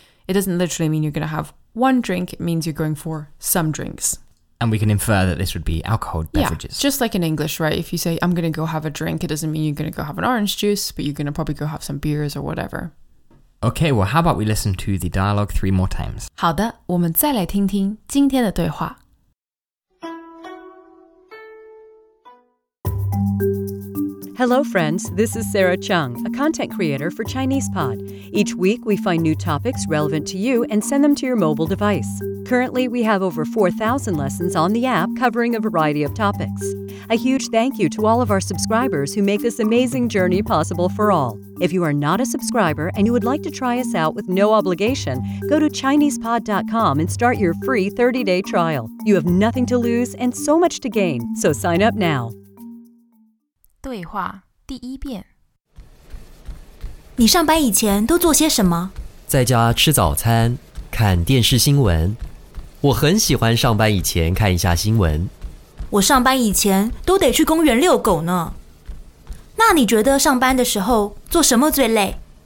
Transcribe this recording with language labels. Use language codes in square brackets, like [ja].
[en] It doesn't literally mean you're going to have one drink, it means you're going for some drinks. And we can infer that this would be alcohol beverages. Yeah, just like in English, right? If you say, I'm going to go have a drink, it doesn't mean you're going to go have an orange juice, but you're going to probably go have some beers or whatever. Okay, well, how about we listen to the dialogue 3 more times? [zh] 好的,我们再来听听今天的对话。 [en] Hello, friends. This is Sarah Chung, a content creator for ChinesePod. Each week, we find new topics relevant to you and send them to your mobile device. Currently, we have over 4,000 lessons on the app covering a variety of topics. A huge thank you to all of our subscribers who make this amazing journey possible for all. If you are not a subscriber and you would like to try us out with no obligation, go to ChinesePod.com and start your free 30-day trial. You have nothing to lose and so much to gain, so sign up now. [zh] 对话第一遍。你上班以前都做些什么？在家吃早餐，看电视新闻。我很喜欢上班以前看一下新闻。我上班以前都得去公园遛狗呢。那你觉得上班的时候做什么最累？